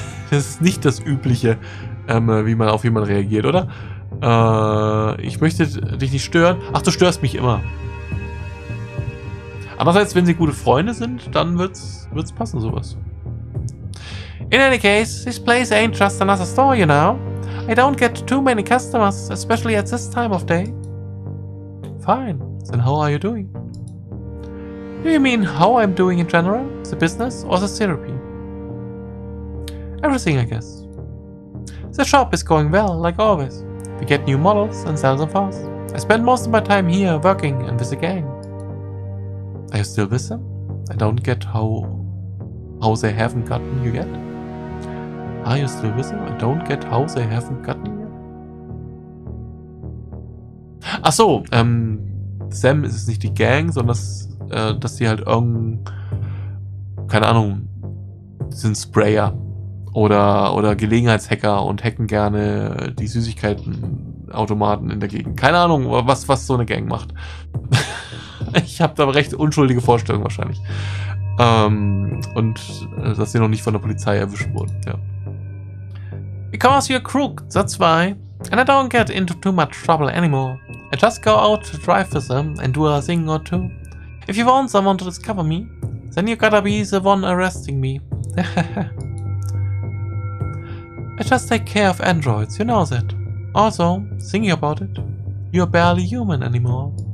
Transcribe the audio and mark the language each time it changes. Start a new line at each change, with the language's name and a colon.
German: Das ist nicht das Übliche, wie man auf jemanden reagiert, oder? Ich möchte dich nicht stören. Ach, du störst mich immer. Andererseits, wenn sie gute Freunde sind, dann wird's passen, sowas.
English: In any case, this place ain't just another store, you know. I don't get too many customers, especially at this time of day. Fine, then how are you doing? Do you mean how I'm doing in general, the business or the therapy? Everything, I guess. The shop is going well, like always. We get new models and sell them fast. I spend most of my time here working and with the gang. Are you still with them? I don't get how they haven't gotten you yet. Are you still with them? I don't get how they haven't gotten you yet.
German: Ach so, Sam ist es nicht die Gang, sondern dass sie halt keine Ahnung, sind Sprayer oder Gelegenheitshacker und hacken gerne die Süßigkeitenautomaten in der Gegend. Keine Ahnung, was so eine Gang macht. Ich habe da recht unschuldige Vorstellungen wahrscheinlich. Und dass sie noch nicht von der Polizei erwischt wurden. Ja.
English: Because you're crooked, that's why. And I don't get into too much trouble anymore. I just go out to drive with them and do a thing or two. If you want someone to discover me, then you gotta be the one arresting me. I just take care of androids, you know that. Also, thinking about it, you're barely human anymore.